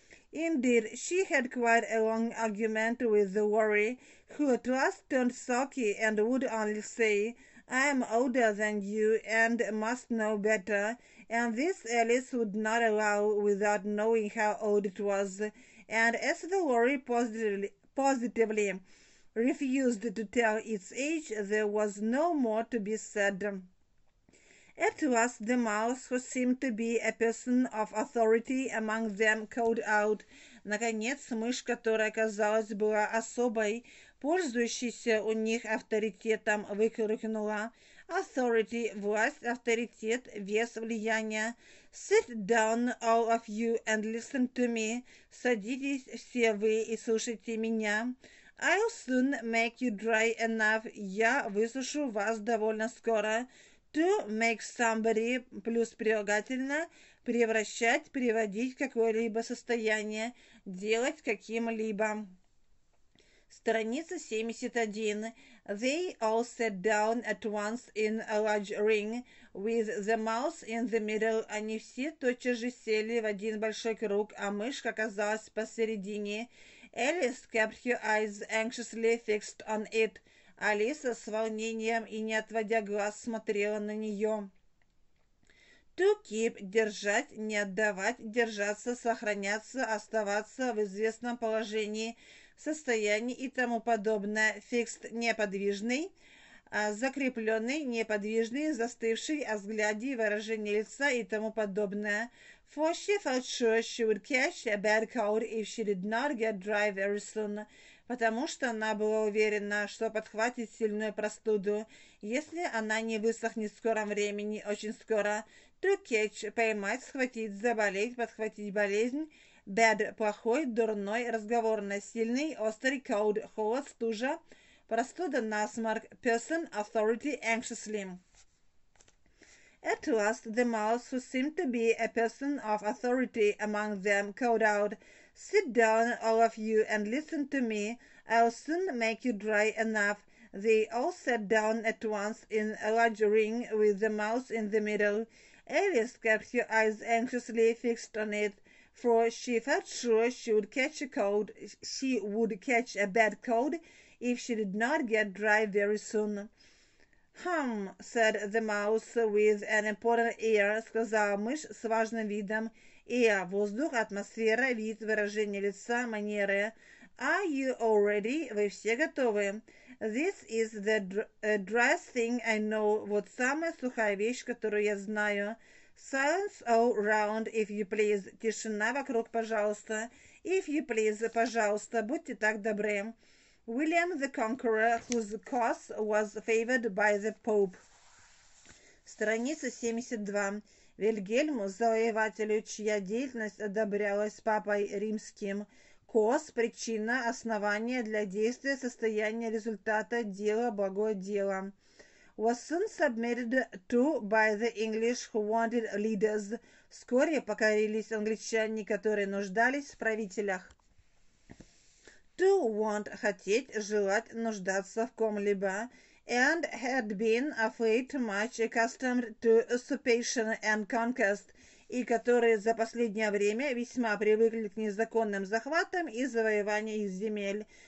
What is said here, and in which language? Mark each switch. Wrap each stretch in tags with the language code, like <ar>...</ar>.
<en>Indeed, she had quite a long argument with the worry, who at last turned sulky and would only say, "I am older than you and must know better," and this Alice would not allow without knowing how old it was. And as the worry positively refused to tell its age, there was no more to be said. At last, the mouse, who seemed to be a person of authority among them, called out.</en> <ru>Наконец, мышь, которая, казалось, была особой, пользующейся у них авторитетом, выкрикнула. Authority, власть, авторитет, вес, влияние.</ru> <en>Sit down, all of you, and listen to me.</en> <ru>Садитесь все вы и слушайте меня.</ru> <en>I'll soon make you dry enough.</en> <ru>Я высушу вас довольно скоро.</ru> <en>To make somebody,</en> <ru>плюс прилагательно, превращать, приводить в какое-либо состояние, делать каким-либо. Страница 71.</ru> <en>They all sat down at once in a large ring, with the mouse in the middle.</en> <ru>Они все тотчас же сели в один большой круг, а мышка оказалась посередине.</ru> <en>Alice kept her eyes anxiously fixed on it.</en> <ru>Алиса с волнением и не отводя глаз смотрела на нее. To keep, держать, не отдавать, держаться, сохраняться, оставаться в известном положении, состоянии и тому подобное. Fixed, неподвижный, закрепленный, неподвижный, застывший о взгляде и выражении лица и тому подобное.</ru> <en>For she felt sure she would catch a bad cold if she did not get dry very soon.</en> <ru>Потому что она была уверена, что подхватит сильную простуду, если она не высохнет в скором времени, очень скоро. To catch, поймать, схватить, заболеть, подхватить болезнь. Bad, плохой, дурной, разговорный, сильный, острый, cold, холод, стужа. Простуда, насморк. Person, authority, anxiously.</ru> <en>At last, the mouse, who seemed to be a person of authority among them, called out, "Sit down, all of you, and listen to me. I'll soon make you dry enough." They all sat down at once in a large ring with the mouse in the middle. Alice kept her eyes anxiously fixed on it, for she felt sure she would catch a cold. She would catch a bad cold if she did not get dry very soon. «Хм!» — said the mouse with an important air, —</en> <ru>сказала мышь с важным видом. «Air — воздух, атмосфера, вид, выражение лица, манеры.</ru> <en>Are you all ready?</en> <ru>Вы все готовы?»</ru> <en>«This is the driest thing I know.</en> <ru>Вот самая сухая вещь, которую я знаю.</ru> <en>Silence all round, if you please.</en> <ru>Тишина вокруг, пожалуйста.</ru> <en>If you please,</en> <ru>пожалуйста, будьте так добры».</ru> <en>William the Conqueror, whose cause was favored by the Pope.</en> <ru>Страница 72. Вильгельму, завоевателю, чья деятельность одобрялась Папой Римским. Коз, причина, основание для действия, состояние, результата, дело, благое дело.</ru> <en>Was soon submitted to by the English who wanted leaders.</en> <ru>Вскоре покорились англичане, которые нуждались в правителях. To want, хотеть, желать, нуждаться в ком-либо,</ru> <en>and had been of late much accustomed to usurpation and conquest,</en> <ru>и которые за последнее время весьма привыкли к незаконным захватам и завоеванию их земель.</ru>